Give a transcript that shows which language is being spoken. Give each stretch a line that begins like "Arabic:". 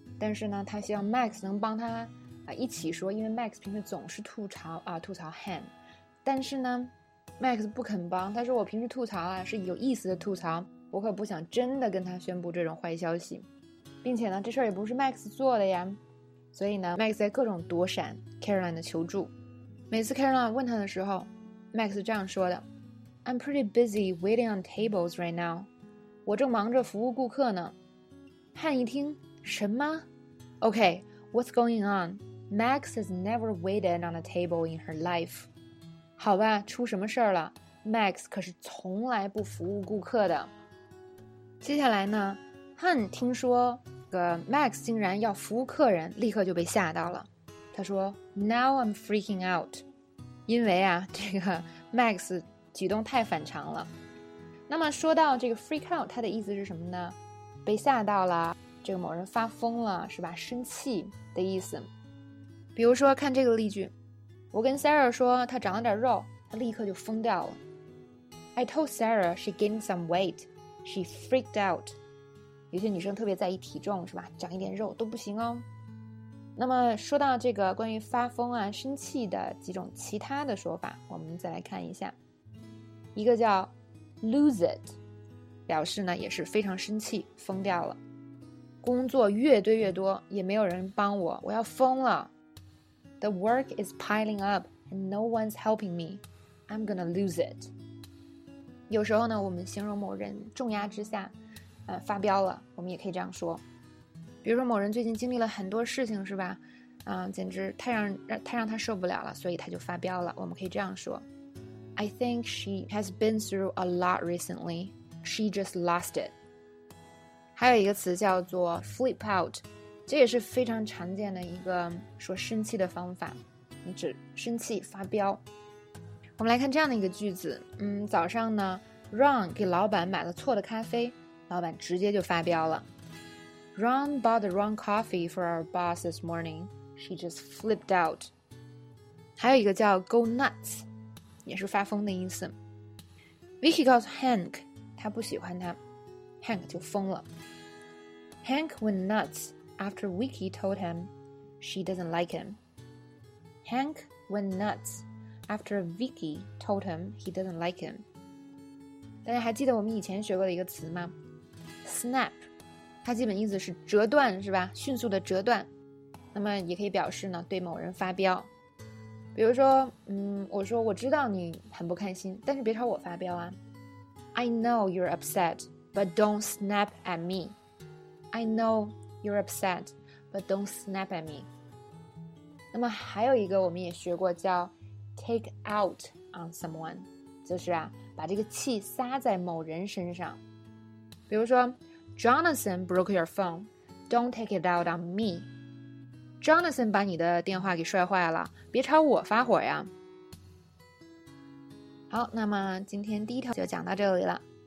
Chinese: 但是呢，他希望 Max 能帮他一起说，因为 Max 平时总是吐槽 Han。但是呢 ，Max 不肯帮，他说我平时吐槽啊是有意思的吐槽，我可不想真的跟他宣布这种坏消息，并且呢，这事儿也不是 Max 做的呀。所以呢 ，Max 在各种躲闪 Caroline 的求助。每次 Caroline 问他的时候，Max 这样说的
English: I'm pretty busy waiting on tables right now.
Chinese: 我正忙着服务顾客呢。汉一听什么
English: OK, what's going on? Max has never waited on a table in her life.
Chinese: 好吧，出什么事了， Max 可是从来不服务顾客的。接下来呢，汉听说Max 竟然要服务客人，立刻就被吓到了。他说
English: Now I'm freaking out.
Chinese: 因为啊，这个 Max 举动太反常了。那么说到这个 freak out， 它的意思是什么呢？被吓到了，这个某人发疯了，是吧？生气的意思。比如说看这个例句，我跟 Sarah 说她长了点肉，她立刻就疯掉了。
English: I told Sarah she gained some weight, she freaked out.
Chinese: 有些女生特别在意体重，是吧？长一点肉都不行哦。那么说到这个关于发疯啊生气的几种其他的说法，我们再来看一下。一个叫 lose it， 表示呢也是非常生气疯掉了。工作越堆越多也没有人帮我，我要疯了。
English: The work is piling up and no one's helping me. I'm gonna lose it.
Chinese: 有时候呢我们形容某人重压之下发飙了，我们也可以这样说。比如说某人最近经历了很多事情，是吧？简直太让他受不了了，所以他就发飙了。我们可以这样说
English: I think she has been through a lot recently. She just lost it.
Chinese: 还有一个词叫做 flip out， 这也是非常常见的一个说生气的方法，你指生气发飙。我们来看这样的一个句子，早上呢 Ron 给老板买了错的咖啡，老板直接就发飙了。
English: Ron bought the wrong coffee for our boss this morning. She just flipped out.
Chinese: 还有一个叫 go nuts， 也是发疯的意思。 Vicky 告诉 Hank， 他不喜欢他 ，Hank 就疯了。
English: Hank went nuts after Vicky told him she doesn't like him. Hank went nuts after Vicky told him he doesn't like him.
Chinese: 大家还记得我们以前学过的一个词吗 ？Snap。它基本意思是折断，是吧？迅速的折断，那么也可以表示呢对某人发飙。比如说我说我知道你很不开心，但是别朝我发飙啊。
English: I know you're upset but don't snap at me. I know you're upset but don't snap at me.
Chinese: 那么还有一个我们也学过叫 take out on someone， 就是啊把这个气撒在某人身上。
English: 比如说Jonathan broke your phone. Don't take it out on me.
Chinese: Jonathan 把你的电话给摔坏了，别朝我发火呀。好，那么今天第一条就讲到这里了。